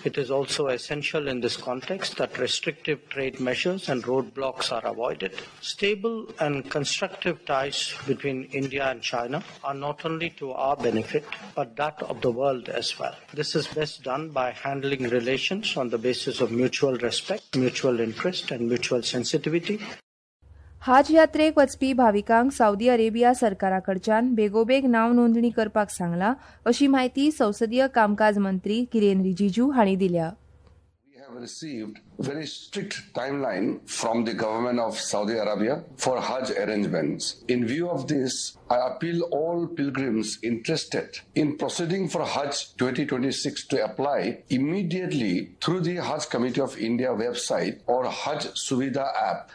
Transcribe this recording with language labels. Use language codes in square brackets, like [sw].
[en] It is also essential in this context that restrictive trade measures and roadblocks are avoided. Stable and constructive ties between India and China are not only to our benefit, but that of the world as well. This is best done by handling relations on the basis of mutual respect, mutual interest and mutual sensitivity. [kok] हज यात्रेक वचपी भाविकांक Saudi Arabia सरकाराकडच्यान बेगोबेग नाव नोंदणी करपाक सांगला अशी माहिती संसदीय कामकाज मंत्री किरेन रिजिजू हांणी दिल्या. [en] Have received very strict timeline from the government of Saudi Arabia for Hajj arrangements. In view of this, I appeal all pilgrims interested in proceeding for Hajj 2026 to apply immediately through the Hajj Committee of India website or Hajj Suvidha app.